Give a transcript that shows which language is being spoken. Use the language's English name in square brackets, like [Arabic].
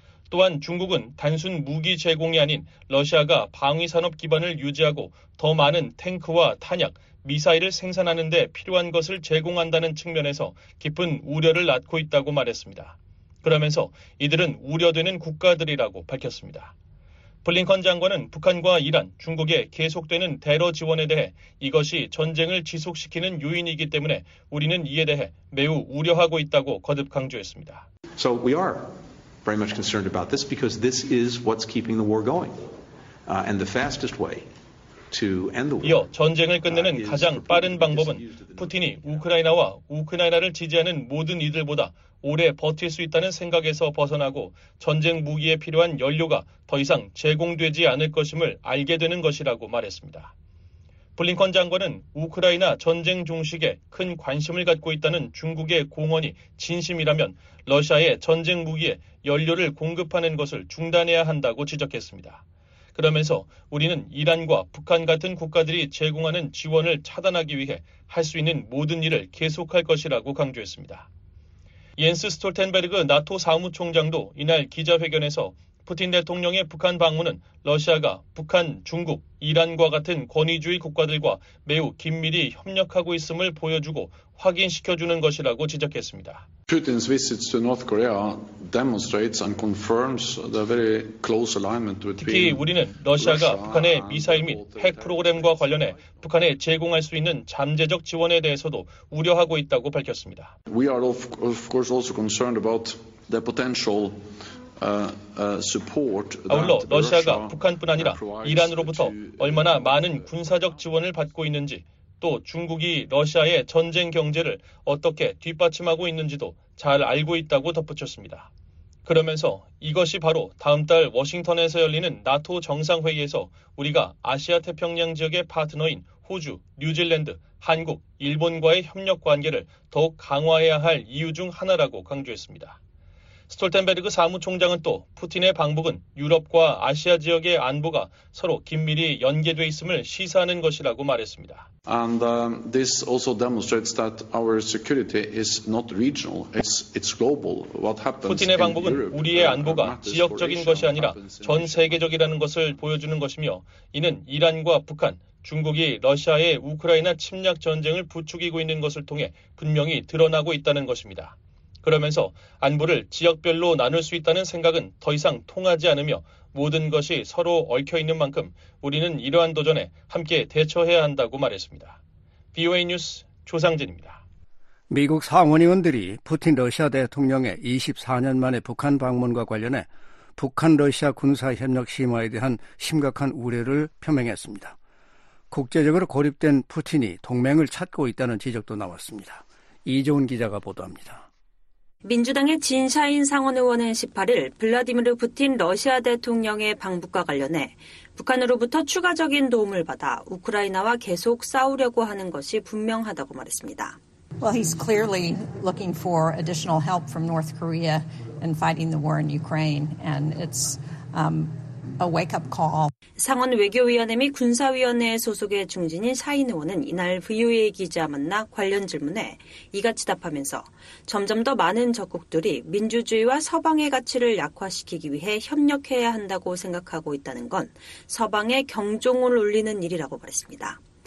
[Korean] 또한 중국은 단순 무기 제공이 아닌 러시아가 방위산업 기반을 유지하고 더 많은 탱크와 탄약, 미사일을 생산하는 데 필요한 것을 제공한다는 측면에서 깊은 우려를 낳고 있다고 말했습니다. 그러면서 이들은 우려되는 국가들이라고 밝혔습니다. 블링컨 장관은 북한과 이란, 중국의 계속되는 대러 지원에 대해 이것이 전쟁을 지속시키는 요인이기 때문에 우리는 이에 대해 매우 우려하고 있다고 거듭 강조했습니다. [English] So we are very much concerned about this because this is what's keeping the war going. And the fastest way [Korean] 이어 전쟁을 끝내는 가장 빠른 방법은 푸틴이 우크라이나와 우크라이나를 지지하는 모든 이들보다 오래 버틸 수 있다는 생각에서 벗어나고 전쟁 무기에 필요한 연료가 더 이상 제공되지 않을 것임을 알게 되는 것이라고 말했습니다. 블링컨 장관은 우크라이나 전쟁 종식에 큰 관심을 갖고 있다는 중국의 공언이 진심이라면 러시아의 전쟁 무기에 연료를 공급하는 것을 중단해야 한다고 지적했습니다. 그러면서 우리는 이란과 북한 같은 국가들이 제공하는 지원을 차단하기 위해 할 수 있는 모든 일을 계속할 것이라고 강조했습니다. 옌스 스톨텐베르그 나토 사무총장도 이날 기자회견에서 푸틴 대통령의 북한 방문은 러시아가 북한, 중국, 이란과 같은 권위주의 국가들과 매우 긴밀히 협력하고 있음을 보여주고 확인시켜주는 것이라고 지적했습니다. [English] Putin's visit to North Korea demonstrates and confirms the very close alignment between Russia and the [Korean] 특히 우리는 러시아가 북한의 미사일 및 핵 프로그램과 관련해 북한에 제공할 수 있는 잠재적 지원에 대해서도 우려하고 있다고 밝혔습니다. [English] We are of course also concerned about the potential support. [Korean] 아울러 러시아가 북한뿐 아니라 이란으로부터 얼마나 많은 군사적 지원을 받고 있는지 또 중국이 러시아의 전쟁 경제를 어떻게 뒷받침하고 있는지도 잘 알고 있다고 덧붙였습니다. 그러면서 이것이 바로 다음 달 워싱턴에서 열리는 나토 정상회의에서 우리가 아시아 태평양 지역의 파트너인 호주, 뉴질랜드, 한국, 일본과의 협력 관계를 더욱 강화해야 할 이유 중 하나라고 강조했습니다. 스톨텐베르그 사무총장은 또 푸틴의 방북은 유럽과 아시아 지역의 안보가 서로 긴밀히 연계돼 있음을 시사하는 것이라고 말했습니다. [English] And this also demonstrates that our security is not regional, it's global. What happens in Europe? [Korean] 푸틴의 방북은 우리의 안보가 지역적인 것이 아니라 전 세계적이라는 것을 보여주는 것이며 이는 이란과 북한, 중국이 러시아의 우크라이나 침략 전쟁을 부추기고 있는 것을 통해 분명히 드러나고 있다는 것입니다. 그러면서 안보를 지역별로 나눌 수 있다는 생각은 더 이상 통하지 않으며 모든 것이 서로 얽혀있는 만큼 우리는 이러한 도전에 함께 대처해야 한다고 말했습니다. VOA 뉴스 조상진입니다. 미국 상원의원들이 푸틴 러시아 대통령의 24년 만에 북한 방문과 관련해 북한-러시아 군사협력 심화에 대한 심각한 우려를 표명했습니다. 국제적으로 고립된 푸틴이 동맹을 찾고 있다는 지적도 나왔습니다. 이종훈 기자가 보도합니다. 민주당의 진샤인 상원의원은 18일 블라디미르 푸틴 러시아 대통령의 방북과 관련해 북한으로부터 추가적인 도움을 받아 우크라이나와 계속 싸우려고 하는 것이 분명하다고 말했습니다. [English] Well, he's clearly looking for additional help from North Korea in fighting the war in Ukraine, and it's a wake-up call. [Korean] 상원 외교위원회 및 군사위원회 소속의 중진인 샤인 의원은 이날 VOA 기자 만나 관련 질문에 이같이 답하면서 점점 더 많은 적국들이 민주주의와 서방의 가치를 약화시키기 위해 협력해야 한다고 생각하고 있다는 건 서방의 경종을 울리는 일이라고 말했습니다.